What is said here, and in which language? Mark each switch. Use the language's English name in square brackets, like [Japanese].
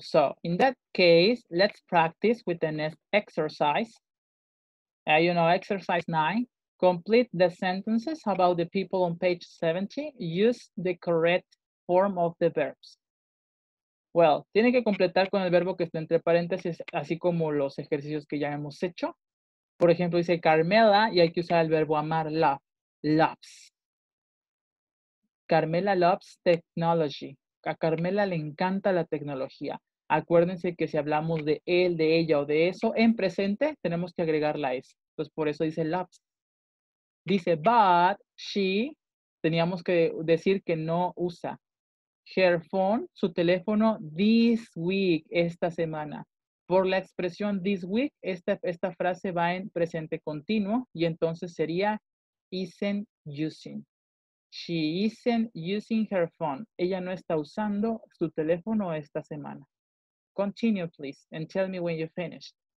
[English] So, in that case, let's practice with the next exercise. Exercise 9. Complete the sentences about the people on page 70. Use the correct form of the verbs. [Spanish] Well, tiene que completar con el verbo que está entre paréntesis, así como los ejercicios que ya hemos hecho. Por ejemplo, dice Carmela y hay que usar el verbo amar, loves. [English] Carmela loves technology. [Spanish] A Carmela le encanta la tecnología. Acuérdense que si hablamos de él, de ella o de eso, en presente tenemos que agregar la S. Entonces, por eso dice loves. Dice, [English] but she, [Spanish] teníamos que decir que no usa. [English] Her phone, [Spanish] su teléfono, [English] this week, [Spanish] esta semana. Por la expresión this week, esta frase va en presente continuo y entonces sería isn't using. [English] She isn't using her phone. [Spanish] Ella no está usando su teléfono esta semana. [English] Continue, please, and tell me when you're finished.